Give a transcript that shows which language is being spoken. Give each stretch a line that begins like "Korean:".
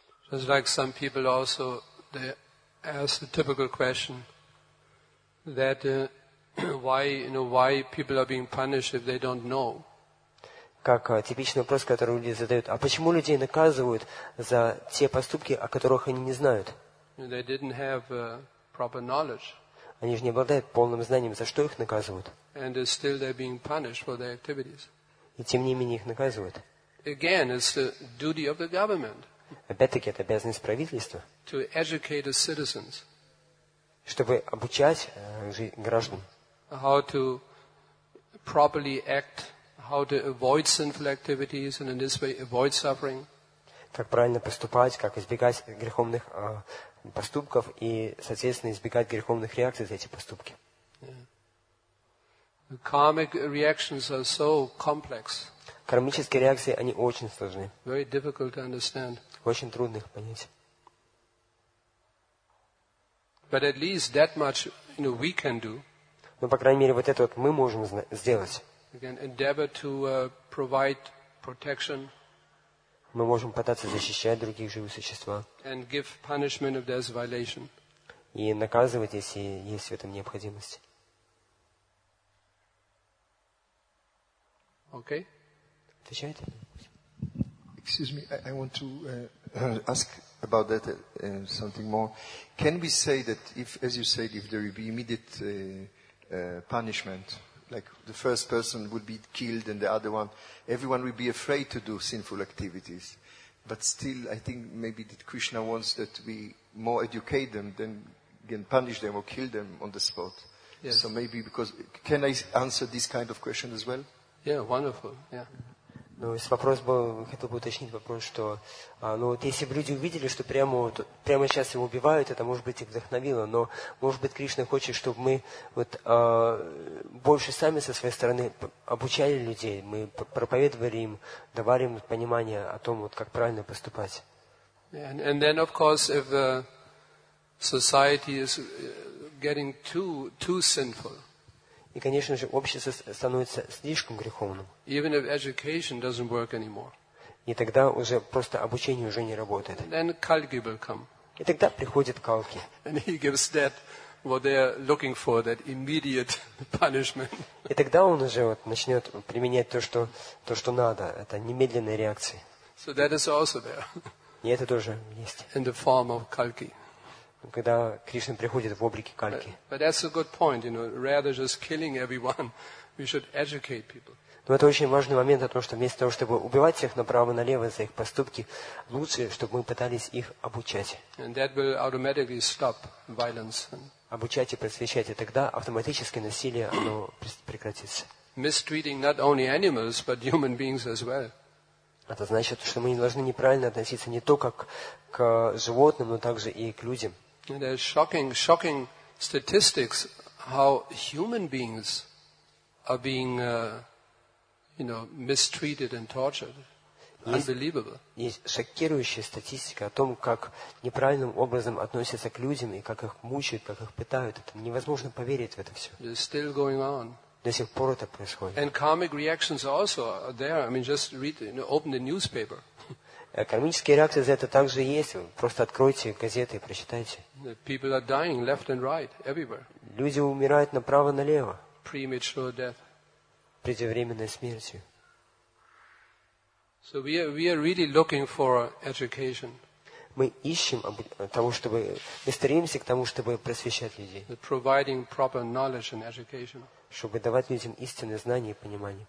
English: Just like some people also, they ask the typical question that why people are being punished if they don't know.
Russian: Как типичный вопрос, который люди задают: а почему людей наказывают за те поступки, о которых они не знают?
English: They didn't have proper knowledge.
Russian: Они же не обладают полным знанием, за что их наказывают.
English: And still they're being punished for their activities.
Russian: И тем не менее их наказывают.
English: Again, it's the duty of the government.
Russian: Опять-таки, это обязанность правительства.
English: To educate the citizens.
Russian: Чтобы обучать граждан.
English: How to properly act. How to avoid sinful activities and in this way avoid suffering.
Russian: Как правильно поступать, как избегать греховных поступков и, соответственно, избегать греховных реакций за эти поступки.
English: Yeah. The karmic reactions are so complex.
Russian: Кармические реакции, они очень сложны.
English: Very difficult to understand.
Russian: Очень трудно их понять.
English: But at least that much, you know, we can do.
Russian: Но, по крайней мере, вот это вот мы можем сделать.
English: Again, endeavor to provide protection.
Russian: Мы можем пытаться защищать других живых существ.
English: And give punishment if there's violation.
Russian: И наказывать, если есть в этом необходимость.
English: Okay.
Russian: Отвечаете?
English: Excuse me. I want to ask about that something more. Can we say that if, as you said, if there will be immediate punishment? Like the first person would be killed and the other one, everyone would be afraid to do sinful activities. But still, I think maybe that Krishna wants that we more educate them than can punish them or kill them on the spot. Yes. So maybe because, can I answer this kind of question as well? Yeah, wonderful, yeah.
Russian: Ну, если вопрос был, хотел бы уточнить вопрос, что ну, вот если бы люди увидели, что прямо сейчас его убивают, это, может быть, их вдохновило, но, может быть, Кришна хочет, чтобы мы вот, больше сами со своей стороны обучали людей, мы проповедовали им, давали им понимание о том, вот, как правильно поступать.
English: And then, of course, if society is getting too sinful,
Russian: и, конечно же, общество становится слишком греховным.
English: Even if education doesn't work anymore.
Russian: И тогда уже просто обучение уже не работает.
English: And then Kalki will come.
Russian: И тогда приходит Калки.
English: And he gives that what they are looking for, that immediate punishment.
Russian: И тогда он уже вот начнет применять то, что надо, это немедленные реакции.
English: So that is also there.
Russian: И это тоже есть.
English: In the form of Kalki.
Russian: Когда Кришна приходит в облике Кальки.
English: But that's a good point, you know. Rather just killing everyone, we should educate people.
Russian: Но это очень важный момент о том, что вместо того, чтобы убивать всех направо и налево за их поступки, лучше, чтобы мы пытались их обучать.
English: And that will automatically stop violence.
Russian: Обучать и просвещать, и тогда автоматически насилие оно прекратится.
English: Mistreating not only animals, but human beings as well.
Russian: Это значит, что мы не должны неправильно относиться не только к животным, но также и к людям.
English: There's shocking statistics how human beings are being, you know, mistreated and tortured. Unbelievable.
Russian: Есть шокирующая статистика о том, как неправильным образом относятся к людям и как их мучают, как их пытают. Это невозможно поверить в это все.
English: It's still going on.
Russian: До сих пор это происходит.
English: And karmic reactions also are there. I mean, just read, you know, open the newspaper.
Russian: Кармические реакции за это также есть. Просто откройте газеты и прочитайте.
English: People are dying left and right, everywhere.
Russian: Люди умирают направо и налево.
English: Premature death.
Russian: Преждевременной смертью.
English: So we are really looking for education.
Russian: Мы ищем того, чтобы, мы стремимся к тому, чтобы просвещать людей.
English: Providing proper knowledge and education.
Russian: чтобы давать людям истинное знание и понимание.